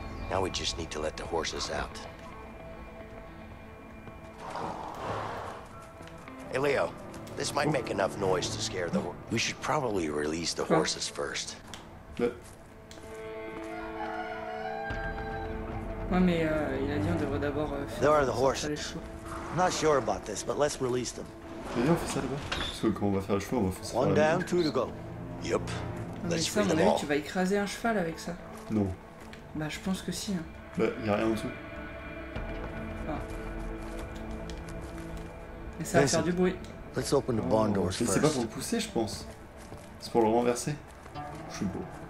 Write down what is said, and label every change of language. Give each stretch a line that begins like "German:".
English: Now we just need to let the horses out. Hey Leo, this might make enough noise to scare the horses. We should probably release the horses first.
French: Ouais, mais il a dit on devrait d'abord faire les chevaux.
English: I'm not sure about this, but let's release them. One down, two to go. Yep. Let's free them all.
French: Tu vas écraser un cheval avec ça. Non. Bah, je pense que si. Hein. Bah, y a rien en dessous. Ah. Et ça va faire du bruit.
English: Let's open the barn doors first.
French: C'est pas pour le pousser, je pense. C'est pour le renverser. Je suis beau.